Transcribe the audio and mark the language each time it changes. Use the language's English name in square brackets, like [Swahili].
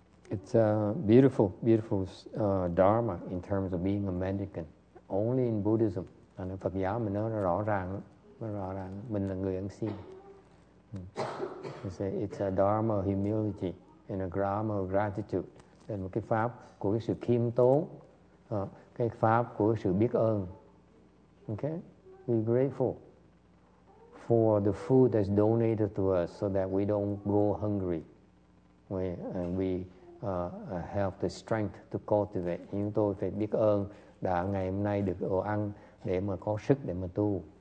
[English] It's a beautiful dharma in terms of being a mendicant. Only in Buddhism, and in [Vietnamese] Phật giáo mình nói rõ ràng. Rõ ràng mình là người ăn xin. [English] It's a dharma of humility and a dharma of gratitude. [Vietnamese] Là một cái pháp của cái sự khiêm tốn, cái pháp của sự biết ơn. [English] Okay, be grateful for the food that's donated to us, so that we don't go hungry. We have the strength to cultivate. [Vietnamese] Chúng tôi phải biết ơn đã ngày hôm nay được đồ ăn để mà có sức để mà tu.